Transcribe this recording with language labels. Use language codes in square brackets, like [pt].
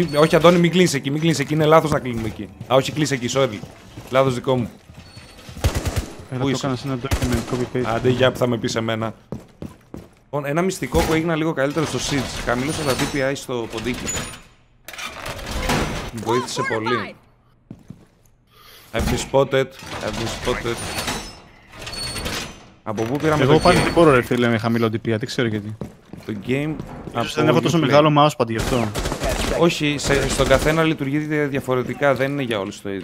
[el] Όχι, Αντώνη, μην κλείνεις εκεί, μην κλείνεις εκεί. Είναι λάθος να κλείνουμε εκεί. Α, όχι, κλείσε εκεί, sorry. Λάθος δικό μου. Εδώ το έκανα σε ένα document, copy-paste. Άντε, για που θα με πεις εμένα. Ένα μυστικό που έγινα λίγο καλύτερο στο Siege. Χαμήλωσα τα DPI στο ποντίκι. Μου βοήθησε πολύ. [en] I've been spotted, I've been spotted. [el] Από πού πήραμε εγώ το game? Εγώ πάλι μπορώ ρε φίλε με χαμηλό DPI, δεν ξέρω γιατί. Το game... Ίσως δεν έχω τόσο play. Μεγάλο mousepad γι' αυτό. Όχι, στον καθένα λειτουργεί διαφορετικά, δεν είναι για όλους το ίδιο.